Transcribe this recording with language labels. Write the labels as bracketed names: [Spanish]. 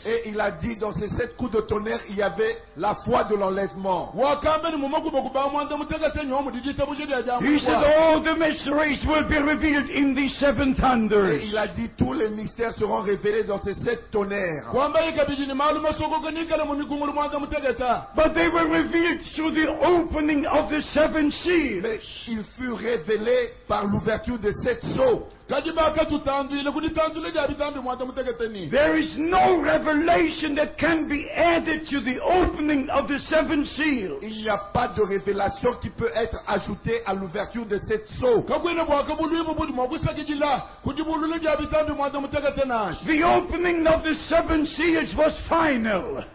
[French] Et il a dit dans ces sept coups de tonnerre il y avait la foi de l'enlèvement. [English] He says all the mysteries will be revealed in these seven thunders. [French] Et il a dit tous les mystères seront révélés dans ces sept tonnerres. [English] But they were revealed through the opening of the seven seals. [French] Mais il fut révélé par l'ouverture de sept sceaux. [English] There is no revelation that can be added to the opening of the seven seals. [French] Il n'y a pas de révélation qui peut être ajoutée à l'ouverture de sept sceaux. [English] The opening of the seven seals was final.